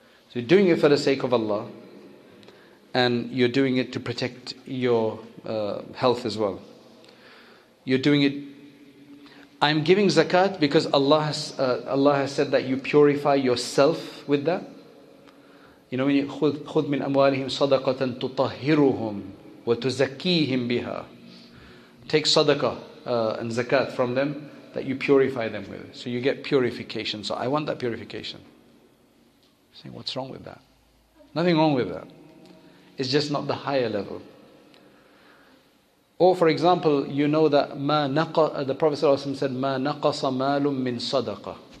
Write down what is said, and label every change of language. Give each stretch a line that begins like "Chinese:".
English: So you're doing it for the sake of Allah, and you're doing it to protect your health as well. You're doing it, I'm giving zakat because Allah has said that you purify yourself with that. You know, when you
Arabic: خُذْ مِنْ أَمْوَالِهِمْ صَدَقَةً تُطَهِّرُهُمْ وَتُزَكِّيهِمْ بِهَا.
English: Take sadaqah and zakat from them that you purify them with. So you get purification. So I want that purification. You're saying, what's wrong with that? Nothing wrong with that. It's just not the higher level. Or for example, you know that the Prophet ﷺ said,
Arabic: مَا نَقَصَ مَالٌ مِّن صَدَقَةٌ.